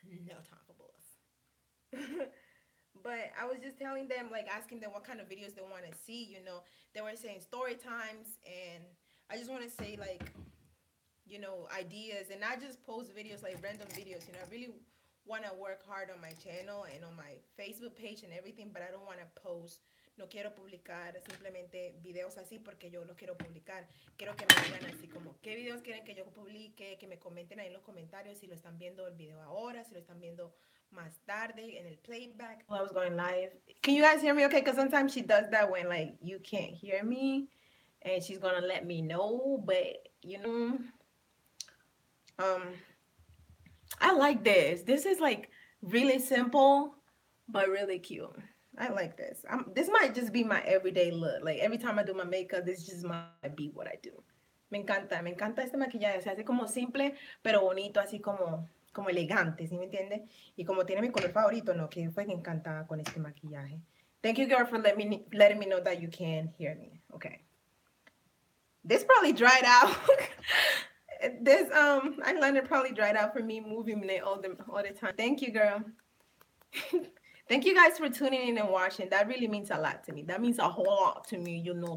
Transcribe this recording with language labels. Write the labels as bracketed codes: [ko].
[en] No time for boys. But I was just telling them, like asking them what kind of videos they want to see, you know. They were saying story times, and I just want to say, like, you know, ideas, and not just post videos, like random videos, you know. I really want to work hard on my channel and on my Facebook page and everything, but I don't want to post. [es] No quiero publicar simplemente videos así porque yo los quiero publicar. Quiero que me digan así como, ¿qué videos quieren que yo publique? Que me comenten ahí en los comentarios si lo están viendo el video ahora, si lo están viendo más tarde en el playback. [en] Well, I was going live. Can you guys hear me okay? Because sometimes she does that when, like, you can't hear me and she's going to let me know, but, you know, I like this. This is like really simple, but really cute. I like this. This might just be my everyday look. Like every time I do my makeup, this just might be what I do. [es] Me encanta este maquillaje. Se hace como simple, pero bonito, así como elegante, ¿sí me entiende? Y como tiene mi color favorito, no, que fue que encantada con este maquillaje. [en] Thank you, girl, for letting me know that you can hear me. Okay. This probably dried out. This eyeliner probably dried out for me moving it all the time. Thank you, girl. Thank you guys for tuning in and watching. That really means a lot to me. That means a whole lot to me, you know.